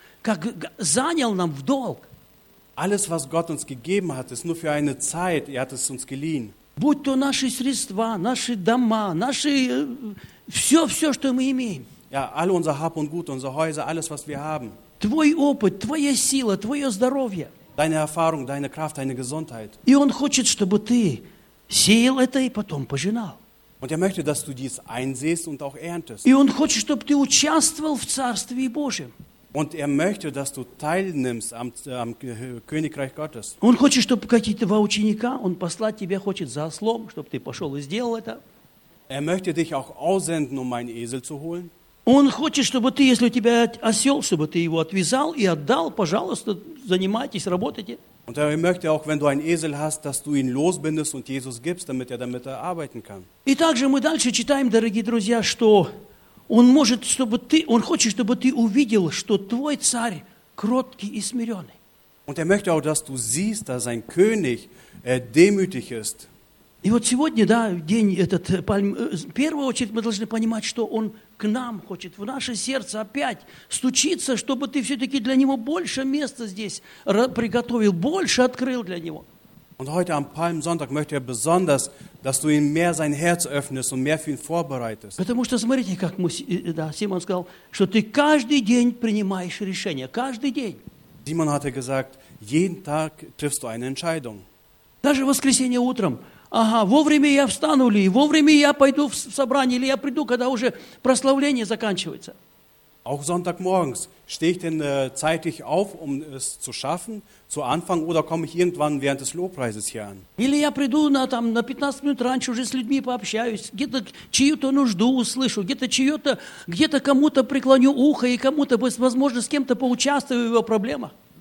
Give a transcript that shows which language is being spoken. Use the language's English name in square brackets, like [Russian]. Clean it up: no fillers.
[Russian] Как занял нам в долг. [German] Alles, was Gott uns gegeben hat, ist nur für eine Zeit. Er hat es uns geliehen. [Russian] Будь то наши средства, наши дома, наши... Все, что мы имеем. [German] Ja, all unser Hab und Gut, unsere Häuser, alles, was wir haben. [Russian] Твой опыт, твоя сила, твое здоровье. [German] Deine Erfahrung, deine Kraft, deine Gesundheit. [Russian] И Он хочет, чтобы ты сеял это и потом пожинал. [German] Und er möchte, dass du dies einsehst und auch erntest. [Russian] И он хочет, чтобы ты участвовал в Царстве Божьем. [German] Und er möchte, dass du teilnimmst am Königreich Gottes. [Russian] Он хочет, чтобы какие-то ученика, он послать тебя хочет за ослом, чтобы ты пошел и сделал это. [German] Er möchte dich auch aussenden, um einen Esel zu holen. [Russian] Он хочет, чтобы ты, если у тебя осел, чтобы ты его отвязал и отдал, пожалуйста, занимайтесь, работайте. [German] Und er möchte auch, wenn du einen Esel hast, dass du ihn losbindest und Jesus gibst, damit er damit arbeiten kann. [Russian] И также мы дальше читаем, дорогие друзья, что он может, чтобы ты, он хочет, чтобы ты увидел, что твой царь кроткий и смиренный. [German] Und er möchte auch, dass du siehst, dass sein König demütig ist. [Russian] И вот сегодня, да, день этот, в первую очередь мы должны понимать, что он к нам хочет, в наше сердце опять стучиться, чтобы ты все-таки для него больше места здесь приготовил, больше открыл для него. [German] Und heute am Palmsonntag möchte er besonders, dass du ihm mehr sein Herz öffnest und mehr für ihn vorbereitest. [Russian] Потому что, смотрите, как мы, да, Симон сказал, что ты каждый день принимаешь решение, каждый день. [German] Simon hatte gesagt, jeden Tag triffst du eine Entscheidung. [Russian] Даже в воскресенье утром. Ага, вовремя я встану ли, вовремя я пойду в собрание, или я приду, когда уже прославление заканчивается. [German] Auch Sonntag morgens stehe ich denn zeitig auf, um es zu schaffen, zu anfangen, oder komme ich irgendwann während des Lobpreises hier an? [Russian] Или я приду на 15 минут раньше, уже с людьми пообщаюсь, где-то чью-то нужду услышу, где-то кому-то преклоню ухо, и кому-то, возможно, с кем-то поучаствую в его проблемах.